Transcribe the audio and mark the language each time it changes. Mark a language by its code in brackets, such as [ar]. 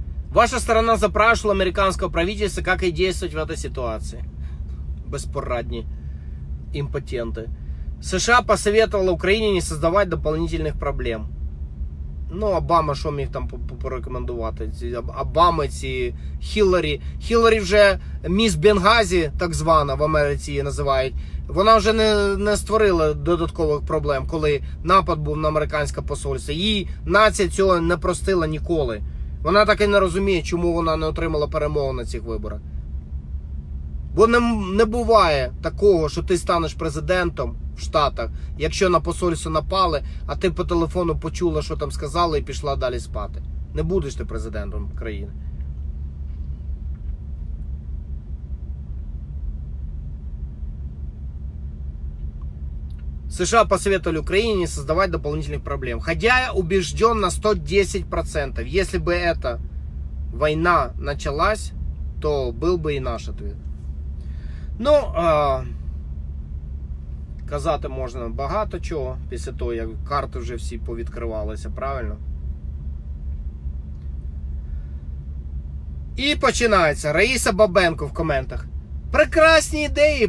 [ru] Ваша сторона запрашивала американского правительства, как и действовать в этой ситуации. [uk] Беспорадні імпотенти. США посоветовала Україні не создавать дополнительних проблем. Ну, Обама, що міг там порекомендувати? Ці, Обама, ці Хіллари. Хіллари вже міс Бенгазі, так звана, в Америці її називають. Вона вже не створила додаткових проблем, коли напад був на американське посольство. Їй нація цього не простила ніколи. Вона так і не розуміє, чому вона не отримала перемогу на цих виборах. Бо не буває такого, що ти станеш президентом в Штатах, якщо на посольство напали, а ти по телефону почула, що там сказали, і пішла далі спати. Не будеш ти президентом країни. [ru] США посоветовали Україні не создавать дополнительных проблем. Хотя я убежден на 110%. Если бы эта война началась, то был бы и наш ответ. [uk] Ну, казати можна багато чого після того, як карти вже всі повідкривалися, правильно? І починається. Раїса Бабенко в коментах. Прекрасні ідеї.